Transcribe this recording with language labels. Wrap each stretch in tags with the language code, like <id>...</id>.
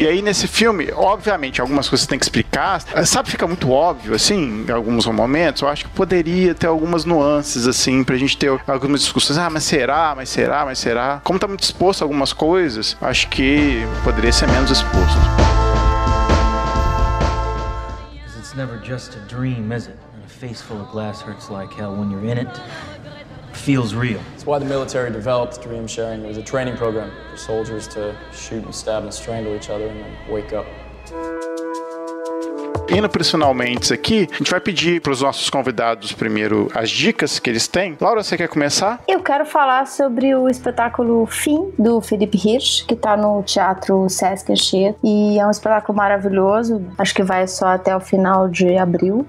<pt>E aí nesse filme, obviamente, algumas coisas você tem que explicar, sabe, fica muito óbvio, assim, em alguns momentos, eu acho que poderia ter algumas nuances, assim, pra gente ter algumas discussões, mas será? Como tá muito exposto a algumas coisas, acho que poderia ser menos exposto.</pt> <en>It's never just a dream, is it? A face full of glass hurts like hell when you're in it. Feels real. It's why the military developed dream sharing. It was a training program for soldiers to shoot and stab and strangle each other and then wake up.</en> <pt>Indo para os finalmente aqui, a gente vai pedir para os nossos convidados primeiro as dicas que eles têm. Laura, você quer começar? Eu quero falar sobre o espetáculo Fim, do Felipe Hirsch, que está no Teatro Sesc Anchieta. E é um espetáculo maravilhoso, acho que vai só até o final de abril.</pt>